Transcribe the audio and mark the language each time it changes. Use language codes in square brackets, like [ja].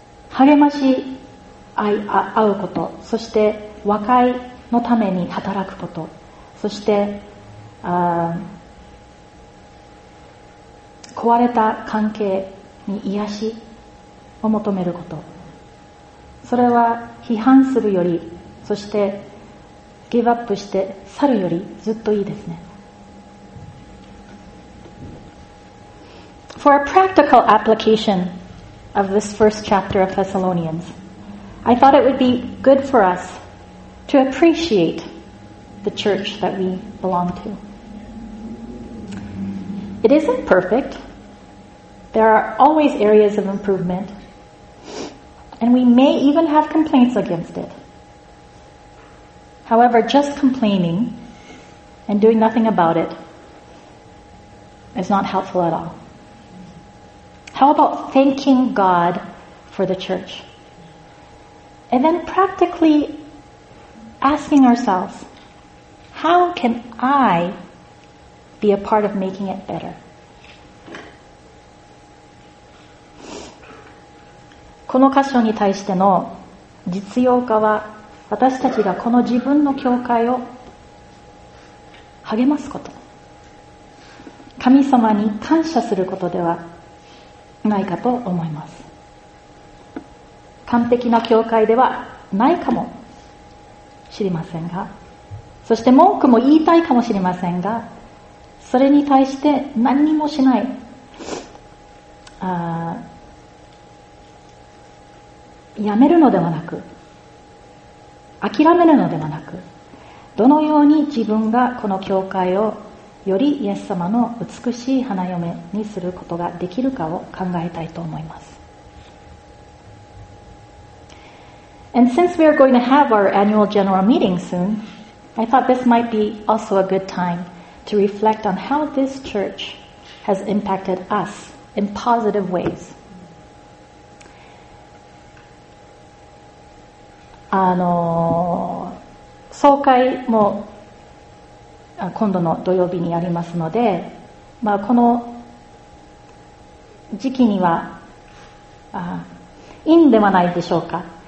[ja] 励まし合うこと、そして和解のために働くこと、そして壊れた関係に癒しを求めること、それは批判するより、そしてギブアップして去るよりずっといいですね。 [en] For a practical application of this first chapter of Thessalonians, I thought it would be good for us to appreciate the church that we belong to. It isn't perfect. There are always areas of improvement, and we may even have complaints against it. However, just complaining and doing nothing about it is not helpful at all. How about thanking God for the church? And then practically asking ourselves, how can I be a part of making it better? [ja] この箇所に対しての実用化は、私たちがこの自分の教会を励ますこと、神様に感謝することではないかと思います。完璧な教会ではないかもしれませんが、そして文句も言いたいかもしれませんが、それに対して何にもしない、やめるのではなく、諦めるのではなく、どのように自分がこの教会をよりイエス様の美しい花嫁にすることができるかを考えたいと思います。 [en] And since we are going to have our annual general meeting soon, I thought this might be also a good time to reflect on how this church has impacted us in positive ways. [ja] あの総会も今度の土曜日にやりますので、まあ、この時期にはいいんではないでしょうか。